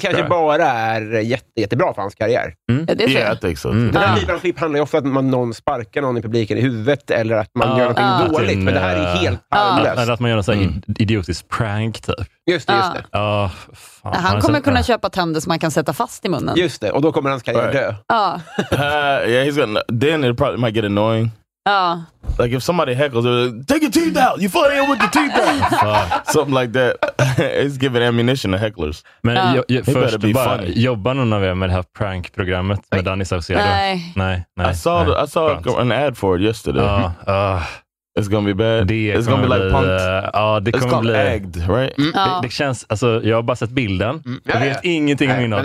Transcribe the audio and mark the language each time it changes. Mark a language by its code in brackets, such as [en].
[sv] kanske bara är jättebra för hans karriär. Den här typen av klipp handlar ju ofta om att man någon sparkar någon i publiken i huvudet eller att man gör någonting dåligt. Men det här är helt harmlöst. Eller att man gör en sån idiotisk prank typ. Just det. Han kommer kunna köpa tänder som man kan sätta fast i munnen. Just det, och då kommer hans karriär dö. [en] Then it probably might get annoying. Like if somebody heckles, like, take your teeth out. You funny with your teeth out. Something like that. It's giving ammunition to hecklers. [sv] Men först bara, jobbar någon av er med det här prankprogrammet med Danny Saucedo? Nej. [en] I saw an ad for it yesterday. It's gonna be bad. It's gonna be like punked. It's gonna be egged, right? [sv] Det känns, alltså jag har bara sett bilden. Jag vet ingenting om innan.